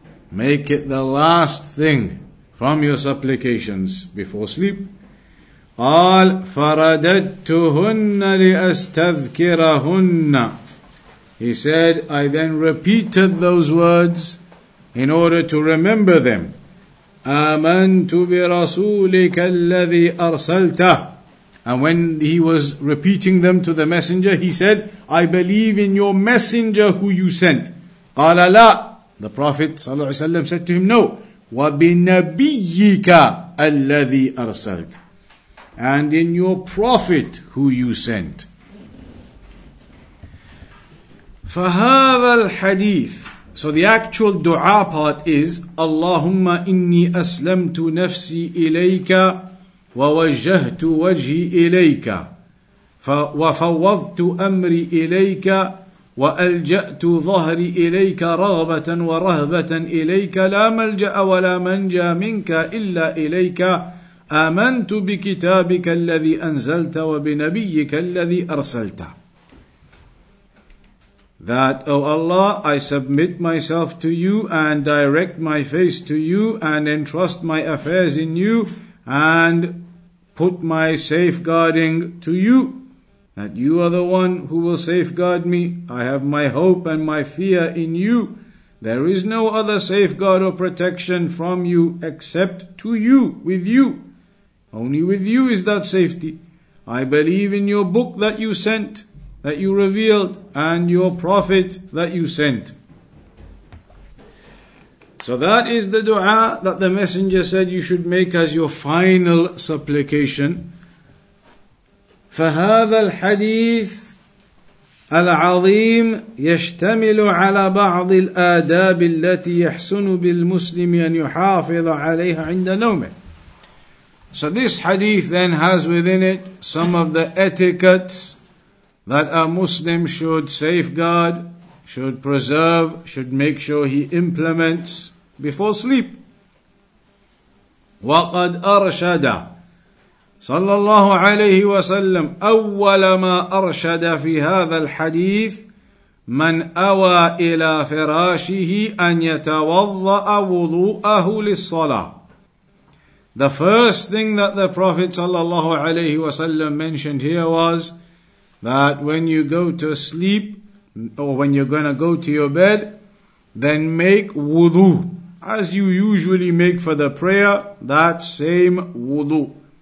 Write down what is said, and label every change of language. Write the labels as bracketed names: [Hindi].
[English] Make it the last thing from your supplications before sleep. [Arabic] قال فرددتهن لأستذكرهن. [English] He said, I then repeated those words in order to remember them. [Arabic] آمنت برسولك الذي أرسلته. [English] And when he was repeating them to the messenger, he said, I believe in your messenger who you sent. [Arabic] قال لا. [English] The Prophet ﷺ said to him, no. [Arabic] وَبِنَبِيِّكَ الَّذِي أَرْسَلْتَ. [English] And in your Prophet who you sent. [Arabic] فَهَذَا الْحَدِيثِ. [English] So the actual dua part is, [Arabic] اللَّهُمَّ إِنِّي أَسْلَمْتُ نَفْسِي إِلَيْكَ وَوَجَّهْتُ وَجْهِي إِلَيْكَ وَفَوَّضْتُ أَمْرِي إِلَيْكَ وألجأت ظهري إليك رغبة ورهبة إليك لا ملجأ ولا منجا منك إلا إليك آمنت بكتابك الذي أنزلت وبنبيك الذي أرسلت. [English] That, O Allah, I submit myself to you and direct my face to you and entrust my affairs in you and put my safeguarding to you. That you are the one who will safeguard me. I have my hope and my fear in you. There is no other safeguard or protection from you except to you, with you. Only with you is that safety. I believe in your book that you sent, that you revealed, and your prophet that you sent. So that is the dua that the messenger said you should make as your final supplication. [Arabic] فهذا الحديث العظيم يشتمل على بعض الآداب التي يحسن بالمسلم أن يحافظ عليها عند نومه. [English] So this hadith then has within it some of the etiquettes that a Muslim should safeguard, should preserve, should make sure he implements before sleep. [Arabic] وقد أرشد صلى الله عليه وسلم أول ما أرشد في هذا الحديث من أوى إلى فراشه أن يتوضأ وضوءه للصلاة. [English] The first thing that the Prophet [Arabic] صلى الله عليه وسلم [English] mentioned here was that when you go to sleep, or when you're going to go to your bed, then make wudu as you usually make for the prayer, that same wudu.